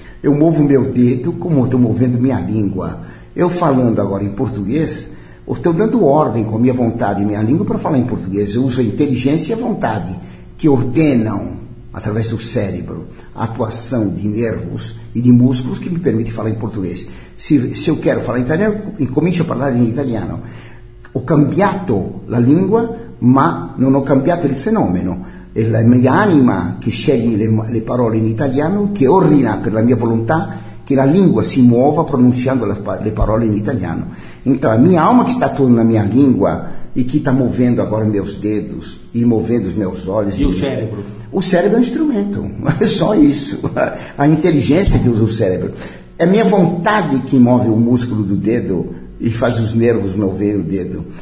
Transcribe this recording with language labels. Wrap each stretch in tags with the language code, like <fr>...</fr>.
<pt>Eu movo meu dedo como eu estou movendo minha língua. Eu falando agora em português, eu estou dando ordem com a minha vontade e minha língua para falar em português. Eu uso a inteligência e a vontade, que ordenam, através do cérebro, a atuação de nervos e de músculos que me permite falar em português. Se eu quero falar em italiano, eu comincio a falar em italiano.</pt> <it>Ho cambiato la lingua, ma non ho cambiato il fenomeno. È la mia anima che sceglie le parole in italiano, che ordina per la mia volontà che la lingua si muova pronunciando le parole in italiano.</it> <pt>Então, a minha alma que está toda na minha língua e que está movendo agora meus dedos e movendo os meus olhos. E o cérebro? O cérebro é um instrumento, é só isso. A inteligência que usa o cérebro. É a minha vontade que move o músculo do dedo e faz os nervos mover o dedo.</pt>